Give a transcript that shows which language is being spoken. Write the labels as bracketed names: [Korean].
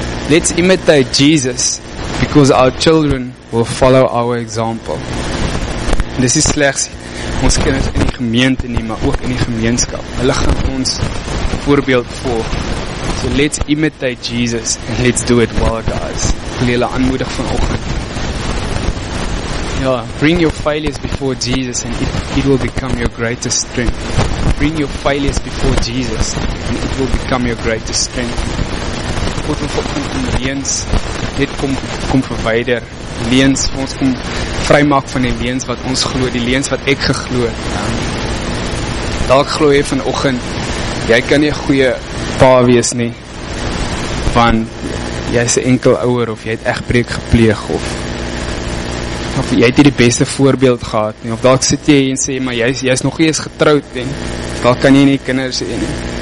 [English] Let's imitate Jesus because our children will follow our example. [Afrikaans] En dis is slegs ons kinders in die gemeente nie, maar ook in die gemeenskap. Hulle gaan ons voorbeeld volg. [English] So let's imitate Jesus and let's do it well, guys. [Afrikaans] Ek wil julle aanmoedig vanoggend. [English] Ja, bring your failures before Jesus and it will become your greatest strength. Bring your failures before Jesus and it will become your greatest strength. [Afrikaans] God wil vanoggend om reens net kom verwyder. Leens, ons kom vrymaak van die leens wat ons glo, die leens wat ek geglo. Dalk glo jy vanoggend, jy kan nie 'n goeie pa wees nie, want jy is 'n enkel ouer, of jy het egbreuk gepleeg, of jy het nie die beste voorbeeld gehad nie, of dalk sit jy en sê, maar jy is nog nie eens getroud, en dalk kan jy nie kinders hê nie.